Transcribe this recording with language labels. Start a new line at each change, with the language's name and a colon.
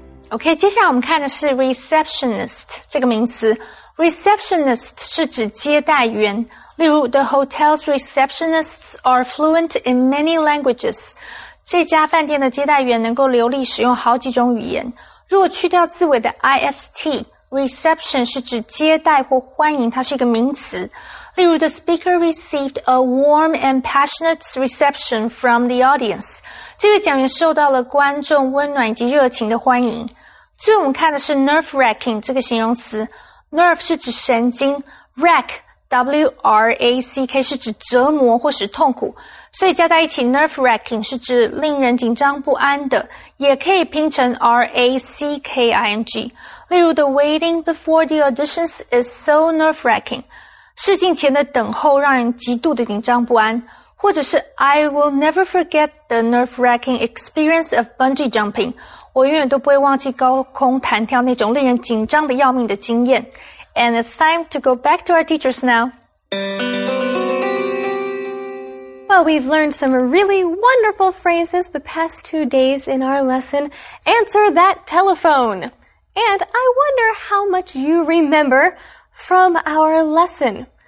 Chinese: OK, 接下来我们看的是 receptionist 这个名词。 Receptionist 是指接待员。例如
English: ,the hotel's receptionists are fluent in many languages.
Chinese: 这家饭店的接待员能够流利使用好几种语言。如果去掉字尾的 IST, reception 是指接待或欢迎，它是一个名词。例如
English: ,the speaker received a warm and passionate reception from the audience.
Chinese: 这个讲员受到了观众温暖以及热情的欢迎。所以我们看的是 nerve-wracking 这个形容词。nerve 是指神经 ,rack, W-R-A-C-K 是指折磨或是痛苦。所以加在一起 nerve-wracking 是指令人紧张不安的，也可以拼成 R-A-C-K-I-N-G。例如
English: ,the waiting before the auditions is so nerve-wracking。
Chinese: 试镜前的等候让人极度的紧张不安，或者是
English: I will never forget the nerve-wracking experience of bungee jumping，
Chinese: 我永远都不会忘记高空弹跳那种令人紧张的要命的经验。
English: And it's time to go back to our teachers now. Well, we've learned some really wonderful phrases the past 2 days in our lesson, Answer That Telephone. And I wonder how much you rememberfrom our lesson.